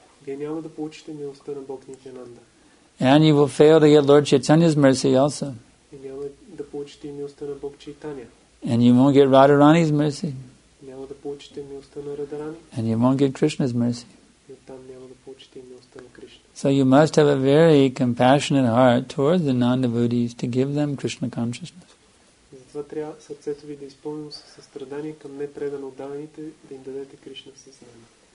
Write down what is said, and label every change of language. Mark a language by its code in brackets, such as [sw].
[bg] Вие няма да получите милостта на Бог Нитиананда. [en] And you will fail to get Lord Chaitanya's mercy also. [bg] И няма да получите милостта на Бог Чайтанья. [en] And you won't get Radharani's mercy. [bg] Няма да получите милостта на Радарани. [en] And you won't get Krishna's mercy. [bg] И оттам няма да получите милостта на Кришна. [en] So you must have a very compassionate heart towards the non-devotees to give them Krishna consciousness. [bg] Затова трябва сърцето ви да изпълнено със състрадание към непредано отдадените, да им дадете Кришна съзнание.